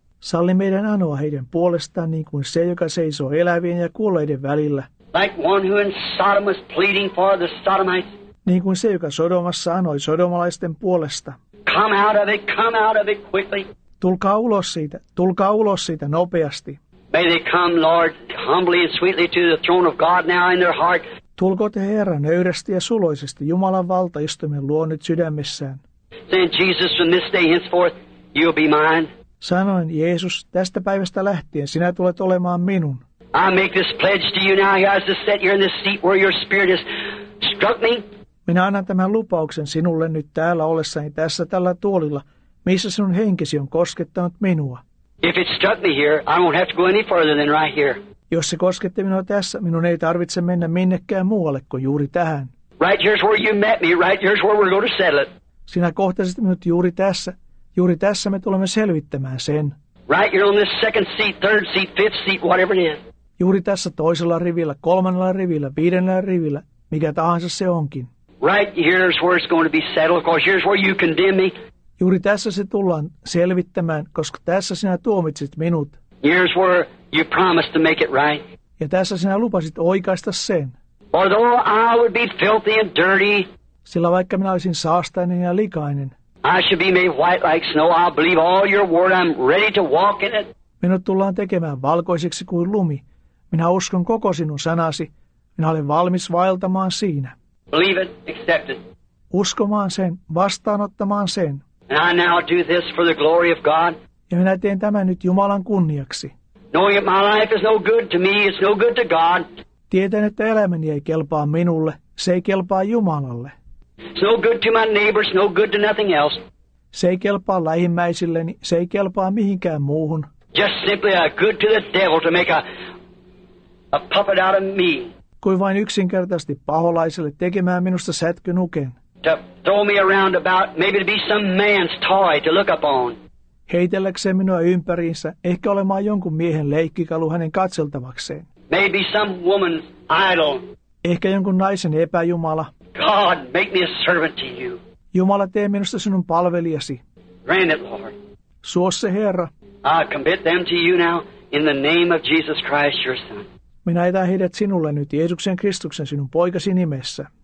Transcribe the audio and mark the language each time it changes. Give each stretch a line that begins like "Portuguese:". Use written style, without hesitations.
Finnish: Salli meidän anoa heidän puolestaan niin kuin se, joka seisoo elävien ja kuolleiden välillä.
English: Like one who in Sodom was pleading for the Sodomites.
Finnish: Niin kuin se, joka Sodomassa anoi sodomalaisten puolesta.
English: Come out of it, come out of it quickly.
Finnish: Tulkaa ulos siitä nopeasti.
English: May they come, Lord, humbly and sweetly to the throne of God now in their heart.
Finnish: Tulko te, Herra, nöyrästi ja suloisesti Jumalan valtaistumien luo nyt sydämessään.
English: Saying, Jesus, from this day henceforth, you'll be mine.
Finnish: Sanoin, Jeesus, tästä päivästä lähtien sinä tulet olemaan minun.
English: I make this pledge to you now, as I sit here in this seat where your spirit has struck me.
Finnish: Minä annan tämän lupauksen sinulle nyt täällä ollessani tässä tällä tuolilla, missä sinun henkesi on koskettanut minua.
English: If it struck me here, I won't have to go any further than right here.
Finnish: Jos se koskette minua tässä, minun ei tarvitse mennä minnekään muualle kuin juuri tähän.
English: Right here's where you met me, right here's where we're going to settle it.
Finnish: Sinä kohtasit minut juuri tässä. Juuri tässä me tulemme selvittämään sen.
English: Right here on this second seat, third seat, fifth seat, whatever it is.
Finnish: Juuri tässä toisella rivillä, kolmannella rivillä, viidennellä rivillä, mikä tahansa se onkin.
English: Right here's where it's going to be settled, of course here's where you condemn me.
Finnish: Juuri tässä se tullaan selvittämään, koska tässä sinä tuomitsit minut.
English: Here's where you promised to make it right.
Finnish: Ja tässä sinä lupasit oikaista sen.
English: For though I would be filthy and dirty.
Finnish: Sillä vaikka minä olisin saastainen ja likainen.
English: I should be made white like snow. I'll believe all your word. I'm ready to walk in it.
Finnish: Minut tullaan tekemään valkoiseksi kuin lumi. Minä uskon koko sinun sanasi. Minä olen valmis vaeltamaan siinä.
English: Believe it, accept it.
Finnish: Uskomaan sen, vastaanottamaan sen.
English: And I now do this for the glory of God.
Finnish: Ja minä teen tämän nyt Jumalan kunniaksi.
English: Knowing that my life is no good to me, it's no good to God.
Finnish: Tietän, että elämäni ei kelpaa minulle, se ei kelpaa Jumalalle.
English: It's no good to my neighbors, no good to nothing else.
Finnish: Se ei kelpaa lähimmäisilleni, se ei kelpaa mihinkään muuhun.
English: Just simply a good to the devil to make a puppet out of me.
Finnish: Kuin vain yksinkertaisesti paholaiselle tekemään minusta sätkynuken.
English: To throw me around about, maybe to be some man's toy to look upon.
Finnish: Heitelläkseen minua ympäriinsä, ehkä olemaan jonkun miehen leikkikalu hänen katseltavakseen.
English: Maybe some woman's idol.
Finnish: Ehkä jonkun naisen epäjumala.
English: God, make me a servant to you.
Finnish: Jumala, tee minusta sinun palvelijasi.
English: Grant it, Lord.
Finnish: Suo se, Herra.
English: I commit them to you now in the name of Jesus Christ, your son.
Finnish: Minä etän heidät sinulle nyt Jeesuksen Kristuksen sinun poikasi nimessä.